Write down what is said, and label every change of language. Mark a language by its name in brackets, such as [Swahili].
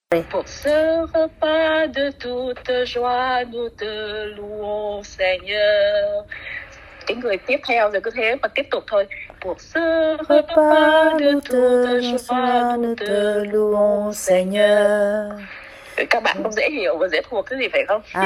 [French] Pour ce repas de toute joie, nous te louons Seigneur. [Vietnamese] Cái người tiếp theo rồi cứ thế mà tiếp tục thôi. [French] Pour ce repas de toute joie, nous te louons Seigneur. [Vietnamese] Các bạn không dễ hiểu và dễ thuộc cái gì phải không?